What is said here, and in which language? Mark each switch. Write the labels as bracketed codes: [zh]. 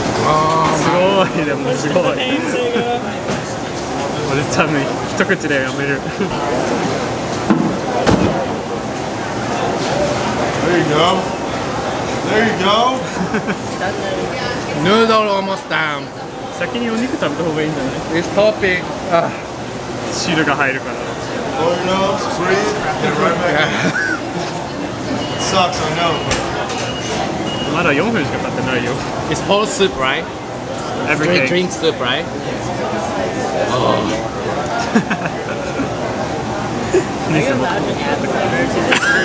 [ja] あー、すごい、でもすごい。俺ちゃんね、一口でやめる。 [en] There you go. There you go. Noodle almost done. [ja] 先にお肉食べた方がいいんじゃない？ [en] It's topping. [ja] 汁が入るから。 [en] Oh, you know, breathe, get right back in. Sucks, I know. [ja] まだ4分しか経ってないよ。 [en] It's whole soup, right? Everything. Drink soup, right? Oh. [ja] ねえ、もう一回。